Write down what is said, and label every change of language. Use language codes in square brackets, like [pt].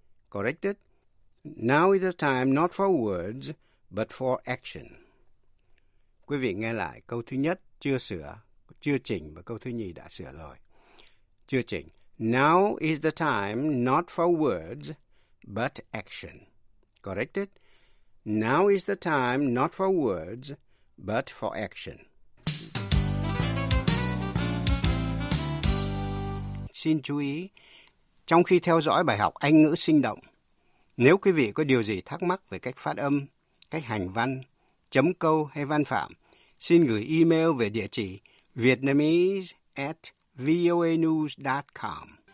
[en] Corrected. Now is the time not for words, but for action. [vi] Quý vị nghe lại câu thứ nhất chưa sửa, chưa chỉnh và câu thứ nhì đã sửa rồi. Chưa chỉnh. [en] Now is the time not for words, but action. Corrected. Now is the time not for words, but for action. [vi] Xin chú ý, trong khi theo dõi bài học Anh ngữ sinh động, nếu quý vị có điều gì thắc mắc về cách phát âm, cách hành văn, chấm câu hay văn phạm, xin gửi email về địa chỉ vietnamese@voanews.com.